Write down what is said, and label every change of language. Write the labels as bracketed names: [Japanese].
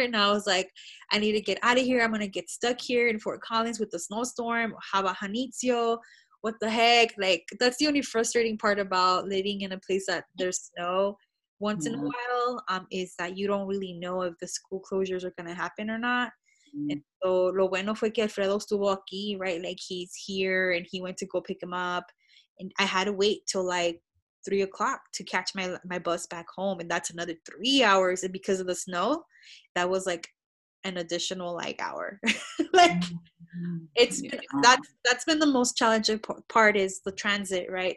[English] And I was like, I need to get out of here. I'm going to get stuck here in Fort Collins with the snowstorm. How about Janitzio? What the heck? Like, that's the only frustrating part about living in a place that there's snow once in a while is that you don't really know if the school closures are going to happen or not. And so [Spanish] lo bueno fue que Alfredo estuvo aquí, [English] right? Like, he's here and he went to go pick him up. And I had to wait till like 3 o'clock to catch my bus back home. And that's another 3 hours. And because of the snow, that was like an additional like hour. Like that's been the most challenging part is the transit, right?